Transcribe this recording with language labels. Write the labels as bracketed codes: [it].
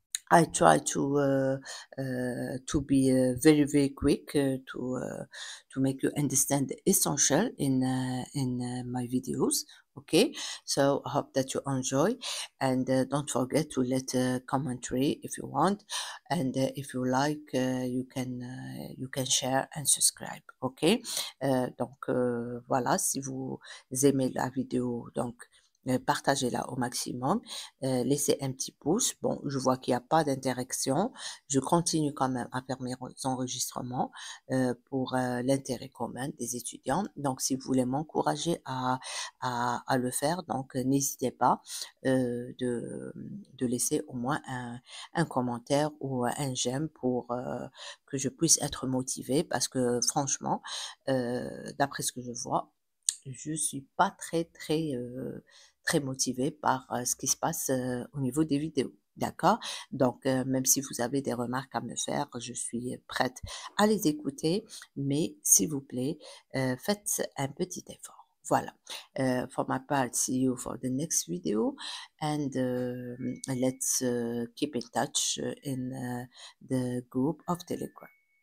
[en] I try to be very very quick to make you understand the essential in my videos. Okay, so I hope that you enjoy, and don't forget to let a commentary if you want, and if you like, you can share and subscribe. [fr] Okay, donc voilà, si vous aimez la vidéo, donc partagez-la au maximum, laissez un petit pouce. Bon, je vois qu'il n'y a pas d'interaction. Je continue quand même à faire mes enregistrements pour l'intérêt commun des étudiants. Donc, si vous voulez m'encourager à le faire, donc n'hésitez pas de laisser au moins un commentaire ou un j'aime pour que je puisse être motivée, parce que franchement, d'après ce que je vois, je ne suis pas très, très, très motivée par ce qui se passe au niveau des vidéos, d'accord? Donc, même si vous avez des remarques à me faire, je suis prête à les écouter, mais s'il vous plaît, faites un petit effort. Voilà. [en] For my part, see you for the next video, and let's keep in touch in the group of Telegram.